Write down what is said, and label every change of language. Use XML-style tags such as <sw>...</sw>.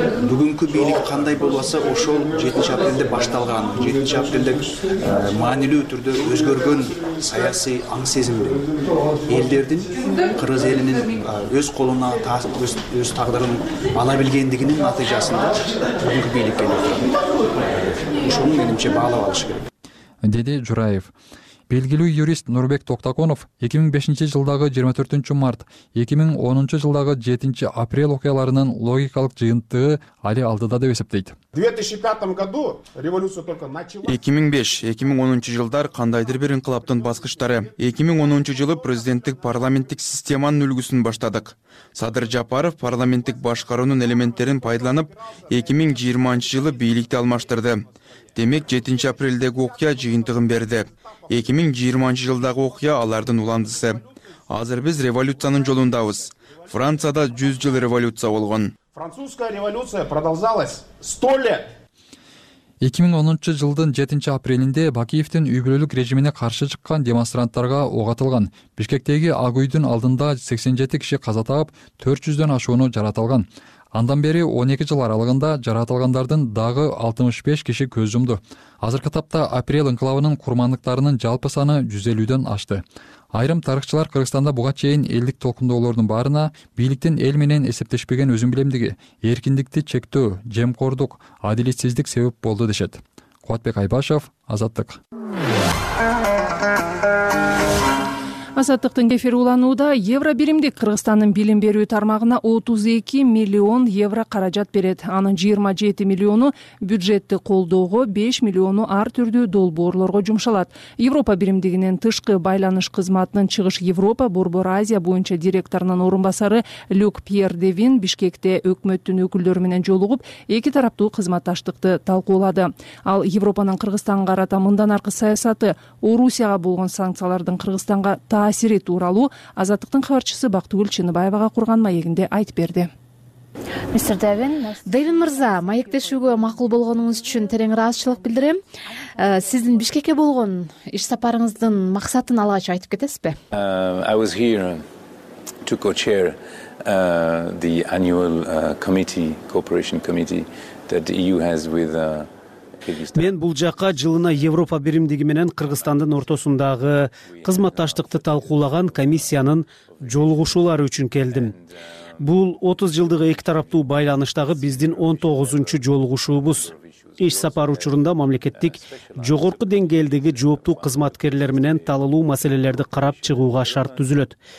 <ky>Бүгүнкү бийлик кандай болбосо, ошол 7 апрелде башталган, 7 апрелде маанилүү түрдө өзгөргөн саясий аң сезимди элдердин, кыргыз элинин өз колуна өз тагдырын ала билгендигинин натыйжасында бүгүнкү бийлик келип атат. Ошону менимче баалап алыш керек, деди Жураев. Белгилүү юрист Нурбек Токтоконов 2005 жылдагы 24 март, 2010 жылдагы 7 апрель окуяларынын логикалык жыйынтыгы али алдыда деп эсептейт.</ky> <ru>2005 революция только началась.</ru> <ky>2005-2010 жылдар кандайдыр бир инкылаптын баскычтары. 2010 жылы президенттик парламенттик системанын үлгүсүн баштадык. Садыр Жапаров парламенттик башкаруунун элементтерин пайдаланып 2020 жылы бийликти алмаштырды. Демек 7 апрелдеги окуя жыйынтыгын берди. 2020 жылдагы окуя алардын уландысы. Азыр биз революциянын жолундабыз. Францияда 100 жыл революция болгон.</ky> <ru>Французская революция продолжалась 100 лет.</ru> <ky>2010 жылдын 7 апрелинде Бакиевдин үй бүлөлүк режимине каршы чыккан демонстранттарга ок атылган. Бишкектеги Ак үйдүн алдында 87 киши каза таап, 400 ашууну жараталган. Андан бери 12 жыл аралыгында жараталгандардын дагы 65 киши көз жумду. Азыркы тапта апрель инкылабынын курмандыктарынын жалпы саны 150 ашты. Айрым тарыхчылар Кыргызстанда буга чейин элдик толкундоолордун баарына бийликтин эл менен эсептешпеген өзүмбилемдиги, эркиндикти чектөө, жемкордук, адилетсиздик себеп болду дешет. Кубатбек Айбашев, Азаттык. Азаттыктын эфир уланууда Евро биримдик Кыргызстандын билим берүү тармагына 32 миллион евро каражат берет. Анын 27 миллиону бюджетти колдоого, 5 миллиону ар түрдүү долбоорлорго жумшалат. Европа биримдигинин тышкы байланыш кызматынын чыгыш Европа, Борбор Азия боюнча директорунун орун басары Люк Пьер Девин Бишкекте өкмөттүн өкүлдөрү менен жолугуп, эки тараптуу кызматташтыкты талкуулады. Ал Европанын Кыргызстанга карата мындан аркы саясаты, Орусияга болгон санкциялардын Кыргызстанга таасири тууралуу Азаттыктын кабарчысы Бактыгүл Чыныбаевага курган маегинде айтып берди. Мистер Дэвин. Дэвин мырза, маектешүүгө макул болгонуңуз үчүн терең ыраазычылык билдирем. Сиздин Бишкекке болгон иш сапарыңыздын максатын алгач айтып кетесизби?</ky> <en>I was here to co-chair the annual committee, cooperation committee that the EU has with</en> <ky>Мен бул жакка жылына Европа биримдиги менен Кыргызстандын ортосундагы кызматташтыкты талкуулаган комиссиянын жолугушуулары үчүн келдим. Бул 30 жылдык эки тараптуу байланыштагы биздин 19-чу жолугушуубуз. Иш сапар учурунда мамлекеттик жогорку деңгээлдеги жооптуу кызматкерлер менен талалуу маселелерди карап чыгууга шарт түзүлөт.</ky>